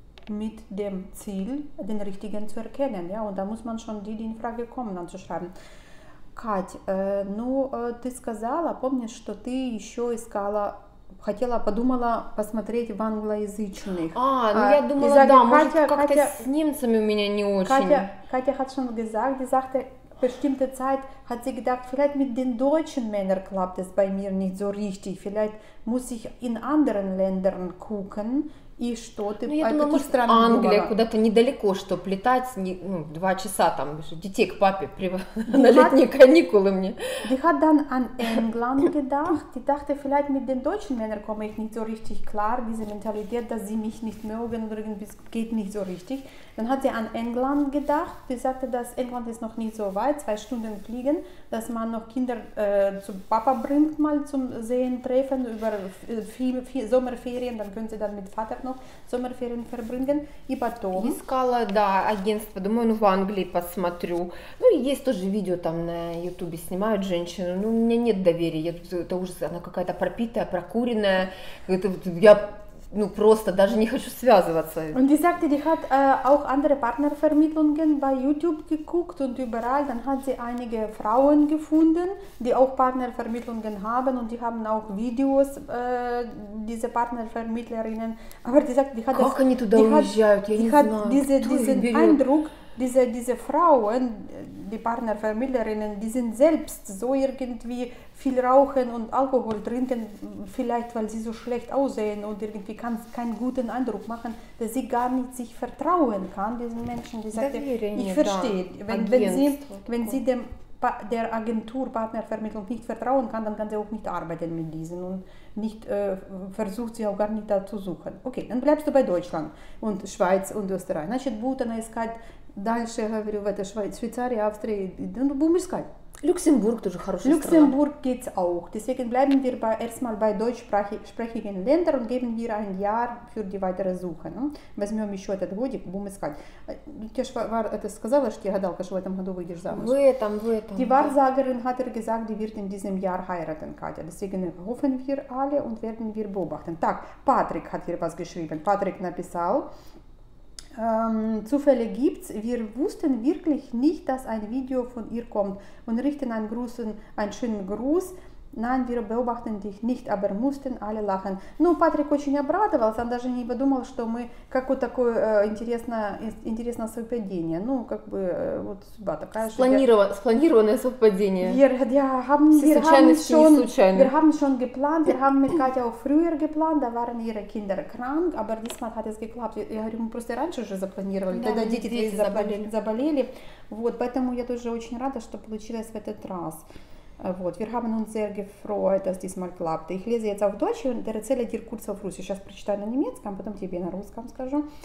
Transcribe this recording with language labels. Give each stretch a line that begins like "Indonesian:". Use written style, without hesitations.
German: mit dem Ziel, den richtigen zu erkennen. Ja, und da muss man schon die in Frage kommen, anzuschreiben.
Russian: Кать, ну, ты сказала, помнишь, что ты еще искала, хотела, подумала посмотреть в англоязычных. А, ну я думала, sage, да, Катя, может, как-то с немцами у меня не очень.
German: Катя hat schon gesagt, die sagte, bestimmte Zeit hat sie gedacht, vielleicht mit den deutschen Männern klappt es bei mir nicht so richtig. Vielleicht muss ich in anderen Ländern gucken.
Russian: И что ты, ну, я думала, может, Англия, куда-то недалеко, чтобы летать, не, ну, 2 часа там, детей к папе на летние каникулы мне.
German: Die hat dann an England gedacht, die dachte, vielleicht mit den deutschen Männern komme ich nicht so richtig klar, diese Mentalität, dass sie mich nicht mögen, irgendwie geht nicht so richtig. Dann hat sie an England gedacht, sie sagte, dass England ist noch nicht so weit, 2 Stunden fliegen, dass man noch Kinder zu Papa bringt, mal zum Sehen, Treffen, über Sommerferien, dann können sie dann mit Vater noch Sommerferien verbringen.
Russian: И потом... Искала, да, агентство. Думаю, ну в Англии посмотрю. Ну и есть тоже видео там на Ютубе снимают женщину. Ну у меня нет доверия. Это ужас. Она какая-то пропитая, прокуренная. Это я... Ну просто даже не хочу связываться.
German: Und sie sagte, die hat auch andere Partnervermittlungen bei YouTube geguckt und überall, dann hat sie einige Frauen gefunden, die auch Partnervermittlungen haben und die haben auch Videos diese Partnervermittlerinnen. Aber sie sagt, die hat
Russian: как das, они туда die уезжают? Hat, я не
German: hat
Russian: знаю.
German: Diese, diesen Eindruck, diese Frauen, die Partnervermittlerinnen, die sind selbst so irgendwie viel rauchen und Alkohol trinken, vielleicht weil sie so schlecht aussehen und irgendwie kann keinen guten Eindruck machen, dass sie gar nicht sich vertrauen kann, diesen Menschen, die sagt, ich verstehe, wenn sie der Agentur Partnervermittlung nicht vertrauen kann, dann kann sie auch nicht arbeiten mit diesen und nicht versucht sie auch gar nicht da zu suchen. Okay, dann bleibst du bei Deutschland und Schweiz und Österreich.
Russian: Значит, будто она искать дальше, говорю, в этой Schweiz, Швейцария, Австрия, ну, будем искать. Люксембург тоже хорошая Люксембург страна.
German: Люксембург geht's auch. Deswegen bleiben wir erstmal bei deutschsprachigen Ländern und geben wir ein Jahr für die weitere Suche. Ne?
Russian: Возьмем еще этот годик, будем искать. Ты же сказала, что я гадалка, что в этом году выйдешь замуж. В этом.
German: Die Wahrsagerin hat er gesagt, die wird in diesem Jahr heiraten, Katja. Deswegen hoffen wir alle und werden wir beobachten. Так, Патрик hat hier was geschrieben.
Russian: Патрик написал.
German: Zufälle gibt's. Wir wussten wirklich nicht, dass ein Video von ihr kommt und richten einen schönen Gruß. Nein, wir beobachten dich nicht, aber mussten alle lachen.
Russian: Ну, Патрик очень обрадовался, он даже не подумал, что мы как вот такое интересное совпадение. Ну, как бы вот судьба такая. Спланированное совпадение.
German: Wir haben schon geplant, wir haben mit Katja auch früher geplant, da waren ihre Kinder krank, aber diesmal hat es geklappt.
Russian: Я говорю, мы просто раньше уже запланировали, тогда дети заболели. Вот, поэтому я тоже очень рада, что получилось в этот раз.
German: Вот, wir haben uns sehr gefreut, dass diesmal klappte. Ich lese jetzt auf Deutsch und erzähle dir kurz auf Russisch.
Russian: Сейчас прочитаю на немецком, потом тебе на русском скажу.